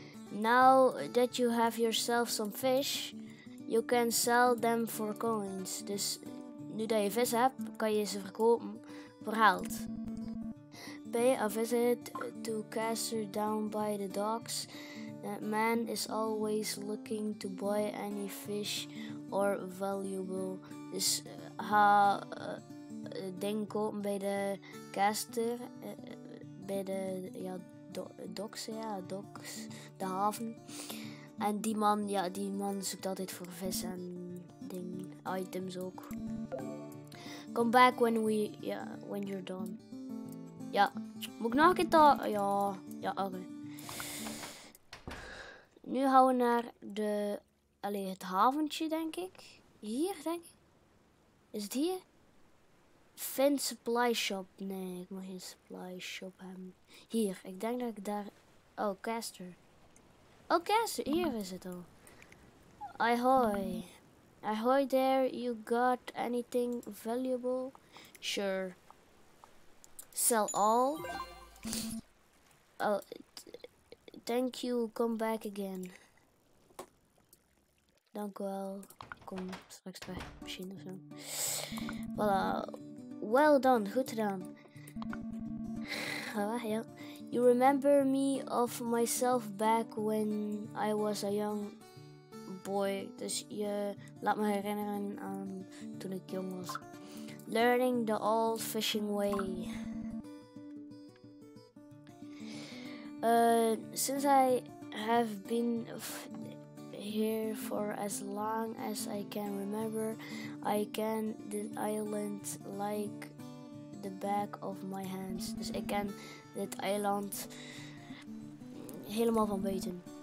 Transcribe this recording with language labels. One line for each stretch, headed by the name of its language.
English: Now that you have yourself some fish, you can sell them for coins.
Dutch: Dus nu dat je vis hebt, kan je ze verkopen voor geld.
English: Pay a visit to Caster down by the docks. That man is always looking to buy any fish or valuable.
Dutch: Dus ga ding kopen bij de Caster. Bij de ja, docks, ja, docks, de haven. En die man, ja, die man zoekt altijd voor vis en ding, items ook.
English: Come back when we, yeah, when you're done.
Dutch: Ja, moet ik nog een keer okay. Nu gaan we naar de, het haventje, denk ik. Hier, denk ik. Is het hier? Finn Supply Shop. Nee, ik moet geen supply shop hebben. Hier, ik denk dat ik daar, oh, Caster. Oh, Caster, hier is het al. Ahoy.
English: Ahoy there, you got anything valuable? Sure. Sell all. Oh, thank you, come back again.
Dutch: Dank u wel. Kom straks bij de machine ofzo. Voilà.
English: Well done,
Dutch: goed gedaan. Ah, ja.
English: You remember me of myself back when I was a young boy.
Dutch: Dus je laat me herinneren aan toen ik jong was.
English: Learning the old fishing way. Since I have been here for as long as I can remember, I can the island like the back of my hands.
Dutch: Dus ik ken dit eiland helemaal van buiten.